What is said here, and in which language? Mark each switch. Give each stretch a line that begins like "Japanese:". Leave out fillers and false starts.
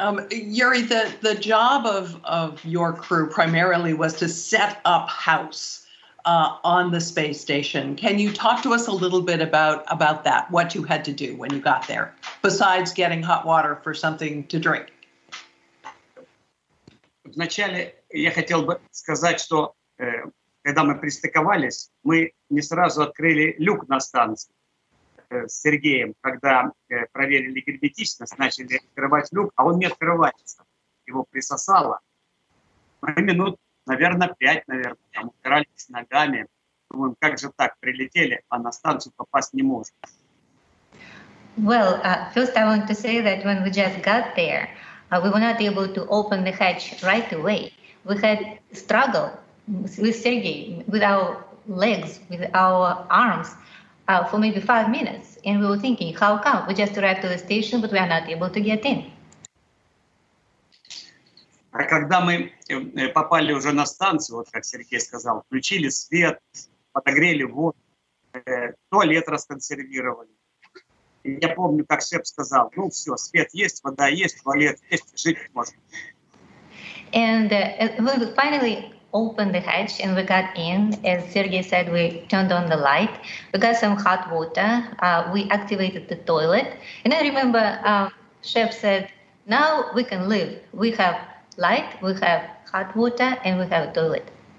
English: Yuri, the job of your crew primarily was to set up house on the space station. Can you talk to us a little bit about that, what you had to do when you got there, besides getting hot water for something to drink?
Russian: Вначале я хотел бы сказать, что когда мы пристыковались, мы не сразу открыли люк на станции. С Сергеем, когда проверили герметичность, начали открывать люк, а он не открывается, его присосало. Минут, наверное, пять, наверное, там упирались ногами. Думаем, как же так, прилетели, а на станцию попасть не можем.
English: Well, first I want to say that when we just got there, we were not able to open the hatch right away. We had struggle with Sergei, with our legs, with our arms, for maybe 5 minutes, and we were thinking, how come? We just arrived to the station, but we are not able to get in.
Russian: А когда мы попали уже на станцию, вот как Сергей сказал, включили свет, подогрели воду, туалет расконсервировали. И я помню, как Сеп сказал, ну все, свет есть, вода есть, туалет есть, жить можно.
English: And we finally opened the hatch and we got in. As Sergei said, we turned on the light. We got some hot water. We activated the toilet. And I remember Chef said, now we can live. We have light, we have hot water, and we have a toilet.